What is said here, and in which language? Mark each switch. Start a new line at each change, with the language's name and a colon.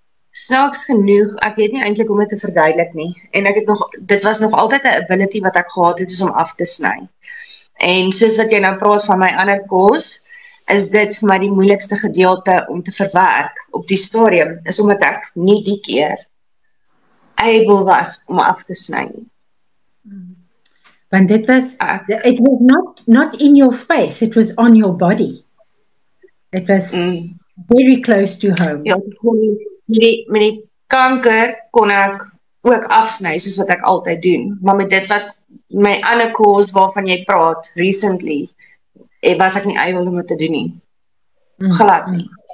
Afrikaans: Snaaks genoeg, ek weet nie eintlik hoe om dit te verduidelik nie. En ek het nog, dit was nog altyd 'n ability wat ek gehad het, is om af te sny. En soos wat jy nou praat van my ander kos, is dit vir my die moeilikste gedeelte om te verwerk op die stadium, is omdat ek nie die keer able was om af te sny. Want dit was,
English: it was not in your face, it was on your body. It was very close to home.
Afrikaans: Ja, met die kanker kon ek ook afsny, soos wat ek altyd doen. Maar met dit wat my ander cause waarvan jy praat recently, was ek nie able om dit te doen nie. Glad nie.